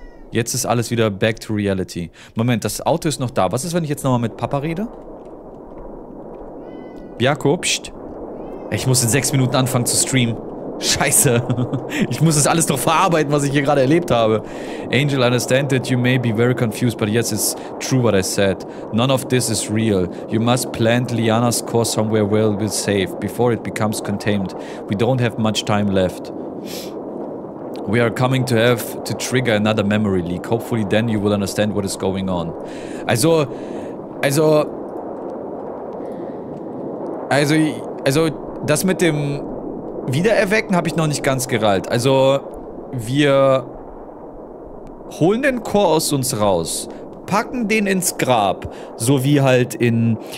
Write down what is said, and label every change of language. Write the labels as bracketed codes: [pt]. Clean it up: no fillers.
[de] Jetzt ist alles wieder [en] back to reality. [de] Moment, das Auto ist noch da. Was ist, wenn ich jetzt nochmal mit Papa rede? Bjarko, pst. Ich muss in 6 Minuten anfangen zu streamen. Scheiße. Ich muss das alles noch verarbeiten, was ich hier gerade erlebt habe. [en] Angel, I understand that you may be very confused, but yes, it's true what I said. None of this is real. You must plant Lianas core somewhere where it will be safe, before it becomes contained. We don't have much time left. We are coming to have to trigger another memory leak. Hopefully then you will understand what is going on. [de] Also, das mit dem Wiedererwecken habe ich noch nicht ganz gerallt. Also, wir holen den Chor aus uns raus, packen den ins Grab, so wie halt in